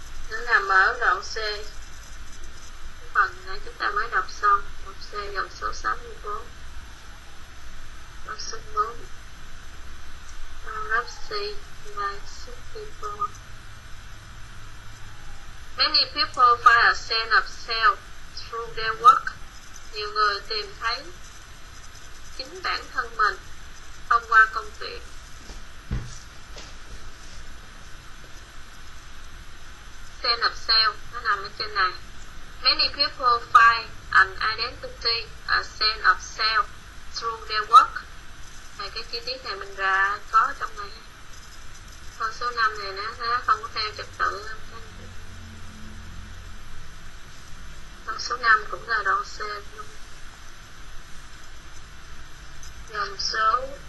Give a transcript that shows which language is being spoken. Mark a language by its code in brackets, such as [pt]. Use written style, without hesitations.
[vi] Nó nằm ở đoạn C, cái phần này chúng ta mới đọc xong, đoạn C dòng số 64. Đoạn số 4 [en] Paragraph C, like 64. Many people find a sense of self through their work. [vi] Nhiều người tìm thấy chính bản thân mình thông qua công việc. [en] Sense of self, [vi] nó nằm ở trên này. [en] Many people find an identity, a sense of self through their work. [vi] Này, cái chi tiết này mình đã có trong này. Con số 5 này nó không có theo trật tự. Đoạn số 5 cũng là đoạn C luôn. Dòng số